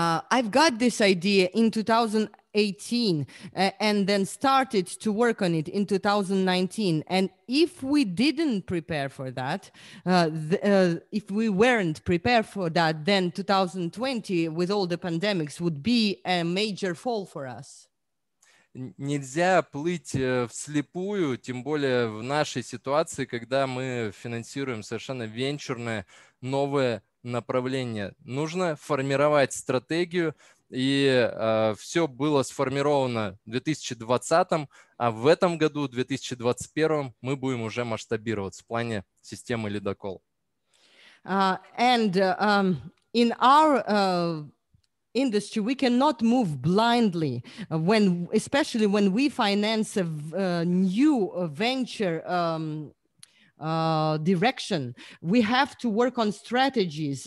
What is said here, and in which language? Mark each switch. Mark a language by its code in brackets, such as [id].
[en] I've got this idea in 2018 and then started to work on it in 2019. And if we didn't prepare for that, if we weren't prepared for that, then 2020 with all the pandemics would be a major fall for us. [ru] Нельзя плыть вслепую, тем более в нашей ситуации, когда мы финансируем совершенно венчурное новое направление. Нужно формировать стратегию, и все было сформировано в 2020, а в этом году, в 2021, мы будем уже масштабироваться в плане системы Ледокол. [en] In our industry, we cannot move blindly, especially when we finance a new venture direction. We have to work on strategies.